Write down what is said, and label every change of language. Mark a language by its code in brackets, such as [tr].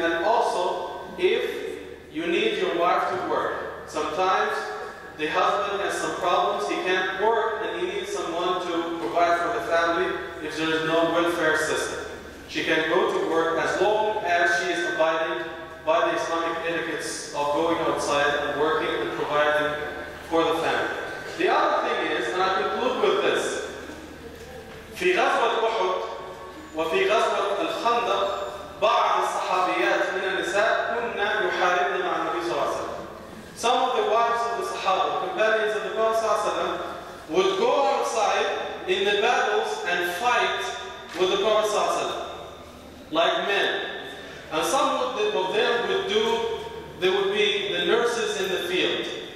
[en] And also, if you need your wife to work, sometimes the husband has some problems, he can't work, and he needs someone to provide for the family if there is no welfare system. She can go to work as long as she is abiding by the Islamic etiquettes of going outside and working and providing for the family. The other thing is, and I conclude with this, [ar] في غزوة أحد وفي غزوة الخندق بعض الصحابيات من النساء كنا يحاربن مع النبي صلى الله عليه وسلم. [en] Some of the wives of the Sahaba, companions of the Prophet ﷺ, would go outside in the battles and fight with the Prophet ﷺ, like men. And some of them would be the nurses in the field.